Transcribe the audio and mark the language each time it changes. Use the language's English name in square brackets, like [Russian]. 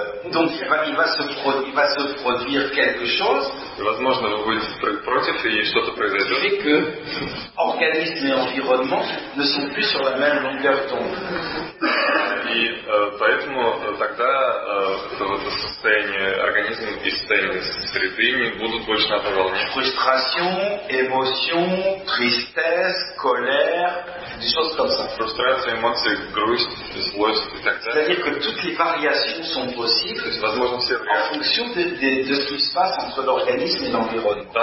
[French] Donc il va se produire quelque chose. [Russian] Возможно, вы будете против, и что-то произойдет. [French] Fait que organisme et environnement ne sont plus sur la même longueur d'onde. [Russian] И поэтому тогда состояние организма и состояние среды не будут больше на одной волне. [French] Frustration, émotion, tristesse, colère, des choses comme ça. Frustration, émotion, [Russian] грусть, злость и так далее. [French] C'est-à-dire que toutes les variations sont possibles en fonction de ce qui se passe entre l'organisme et l'environnement.